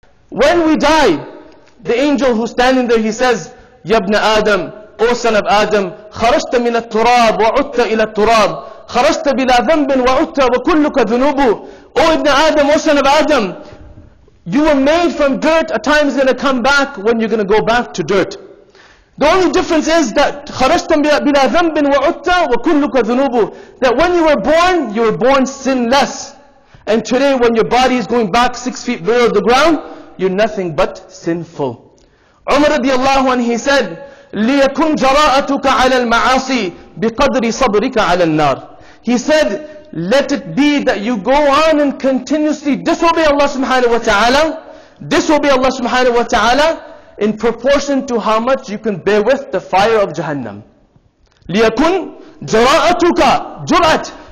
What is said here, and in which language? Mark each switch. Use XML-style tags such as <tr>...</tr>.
<en>When we die, the angel who's standing there, he says,</en> <ar>يَبْنَ آدَمْ</ar> <en>O son of Adam,</en> <ar>خَرَجْتَ مِنَ التُّرَابِ وَعُدْتَ إِلَى التُّرَابِ خَرَجْتَ بِلَا ذَنْبٍ وَعُدْتَ وَكُلُّكَ ذُنُوبُ.</ar> <en>O Ibn Adam, O son of Adam, you were made from dirt, a time is going to come back when you're going to go back to dirt. The only difference is that</en> <ar>خَرَجْتَ بِلَا ذَنْبٍ وَعُدْتَ وَكُلُّكَ ذُنُوبُ.</ar> <en>That when you were born sinless. And today when your body is going back 6 feet below the ground, you're nothing but sinful. Umar radiallahu anhu, he said,</en> <ar>لِيَكُنْ جَرَاءَتُكَ عَلَى الْمَعَاصِي بِقَدْرِ صَبْرِكَ عَلَى النَّارِ.</ar> <en>He said, let it be that you go on and continuously disobey Allah subhanahu wa ta'ala, disobey Allah subhanahu wa ta'ala, in proportion to how much you can bear with the fire of Jahannam.</en> <ar>لِيَكُنْ جَرَاءَتُكَ جُرَأَتْ.</ar>